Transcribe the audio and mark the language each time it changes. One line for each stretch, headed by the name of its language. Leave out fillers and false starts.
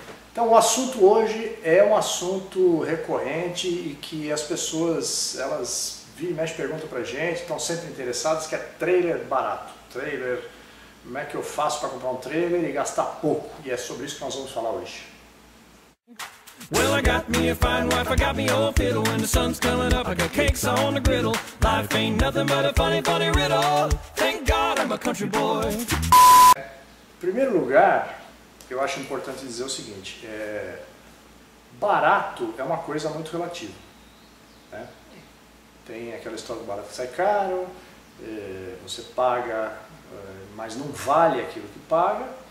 Portuguese: Então, o assunto hoje é um assunto recorrente e que as pessoas, elas viram e mexem perguntam para a gente, estão sempre interessadas, que é trailer barato. Trailer, como é que eu faço para comprar um trailer e gastar pouco? E é sobre isso que nós vamos falar hoje.
English: Well, I got me a fine wife, I got me old fiddle, and the sun's coming up, I got cakes on the griddle. Life ain't nothing but a funny, funny riddle. Thank God I'm a country boy.
Portuguese: Em primeiro lugar, eu acho importante dizer o seguinte, barato é uma coisa muito relativa, né? Tem aquela história do barato que sai caro, você paga, mas não vale aquilo que paga.